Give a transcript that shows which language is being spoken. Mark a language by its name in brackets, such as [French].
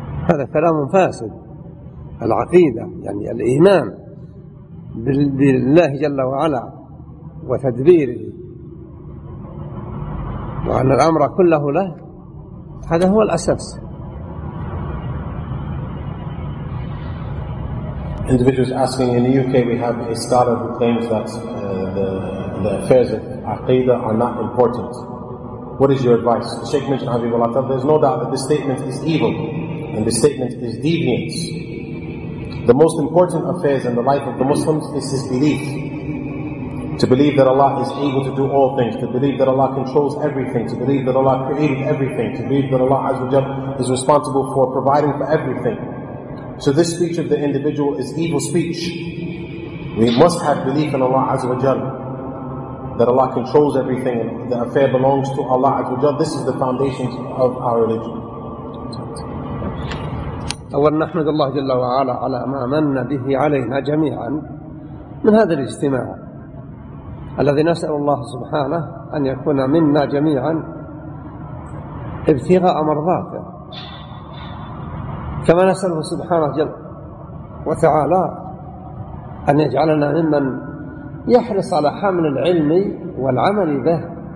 [Arabic] هذا كلام فاسد. العقيدة يعني الإيمان بالله جل وعلا وتدبيره، وأن الأمر كله له، هذا هو الأساس. [English] Individuals asking, in the UK we have a scholar who claims that the affairs of Aqidah are not important. What is your advice? The Sheikh mentioned, Habibullah Ta'ala, there's no doubt that this statement is evil and this statement is deviance. The most important affairs in the life of the Muslims is his belief. To believe that Allah is able to do all things, to believe that Allah controls everything, to believe that Allah created everything, to believe that Allah Azza wa Jal is responsible for providing for everything. So this speech of the individual is evil speech. We must have belief in Allah Azza wa Jal, that Allah controls everything, and the affair belongs to Allah Azza wa Jal. This is the foundation of our religion. [Arabic] أولا نحمد الله جل وعلا على ما من به علينا جميعا من هذا الاجتماع الذي نسأل الله سبحانه أن يكون منا جميعا ابتغاء مرضاته، كما نسأله سبحانه جل وتعالى أن يجعلنا ممن يحرص على حمل العلم والعمل به،